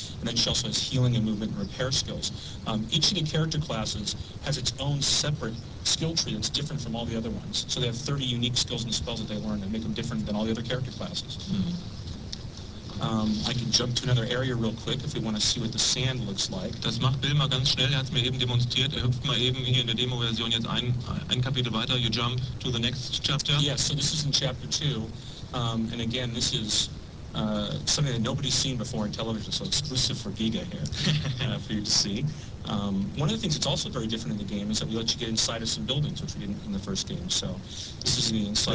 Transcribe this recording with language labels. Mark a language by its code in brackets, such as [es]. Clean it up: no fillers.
[en] And then she also has healing and movement and repair skills. Each of the character classes has its own separate skill tree that's different from all the other ones. So they have 30 unique skills and spells that they learn that make them different than all the other character classes. Mm-hmm. I can jump to another area real quick if we want to see what the sand looks like. [de] Das macht Bill mal ganz schnell, er hat es mir eben demonstriert. Er hüpft mal eben hier in der Demo-Version jetzt ein Kapitel weiter. [en] You jump to the next chapter. Yes, so this is in chapter 2. And again, this is something that nobody's seen before in television, so exclusive for Giga here for you to see. One of the things that's also very different in the game is that we let you get inside of some buildings, which we didn't in the first game. So this is the inside.